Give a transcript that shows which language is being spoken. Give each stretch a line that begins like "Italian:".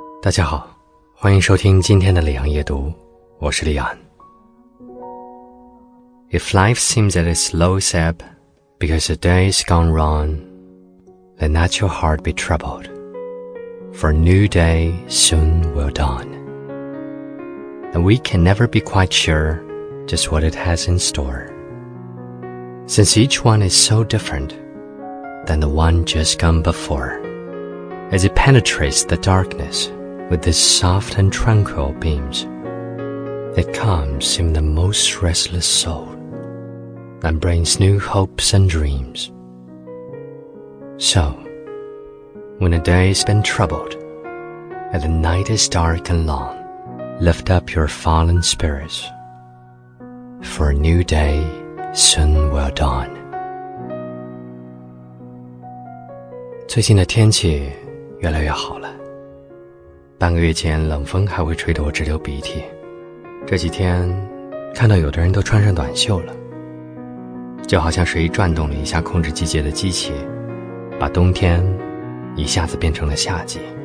Chinese: 家好，欢迎收听今天的李昂夜读，我是李昂。
English: If life seems at its lowest ebb, because the day is gone wrong, then let your heart be troubled, for a new day soon will dawn. And we can never be quite sure just what it has in store. Since each one is so different than the one just gone before, as it penetrates the darkness,With its soft and tranquil beams, it calms even the most restless soul, and brings new hopes and dreams. So, when a day has been troubled, and the night is dark and long, lift up your fallen spirits, for a new day soon will dawn.
Chinese: 最近的天气越来越好了。半个月前冷风还会吹得我直流鼻涕，这几天看到有的人都穿上短袖了，就好像谁转动了一下控制季节的机器，把冬天一下子变成了夏季。